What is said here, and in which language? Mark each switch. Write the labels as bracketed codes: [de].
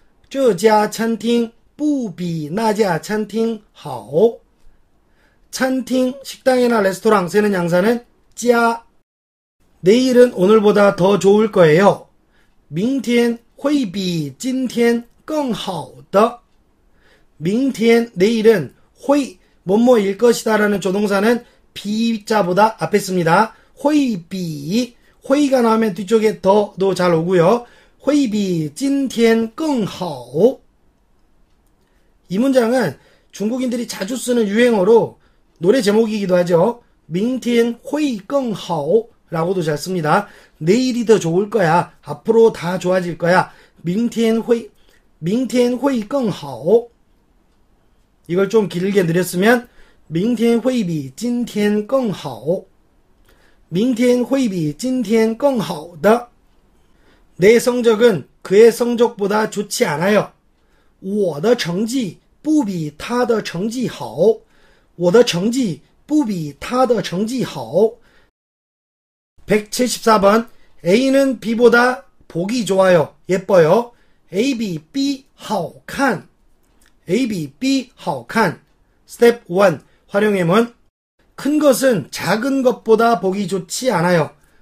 [zh] 这家餐厅不比那家餐厅好. [ko] 餐厅, 식당이나 레스토랑 세는 양사는 家. 내일은 오늘보다 더 좋을 거예요. [zh] 明天会比今天更好的. [ko] 明天, 내일은 会, 뭐뭐일 것이다 라는 조동사는 비자보다 앞에 씁니다. 会比, 회의가 나오면 뒤쪽에 더도 잘 오고요. [zh] 会比今天更好. [ko] 이 문장은 중국인들이 자주 쓰는 유행어로 노래 제목이기도 하죠. [zh] 明天会更好 [ko] 라고도 잘 씁니다. 내일이 더 좋을 거야. 앞으로 다 좋아질 거야. [zh] 明天会更好. [ko] 이걸 좀 길게 늘렸으면 [zh] 明天会比今天更好. 明天会比今天更好的. [ko] 내 성적은 그의 성적보다 좋지 않아요. [zh] 我的成绩不比他的成绩好. 我的成绩不比他的成绩好. [ko] 174번. A는 B보다 보기 좋아요. 예뻐요. A, B, B,好看. A, B, B,好看.Step 1. 활용해문. 큰 것은 작은 것보다 보기 좋지 않아요.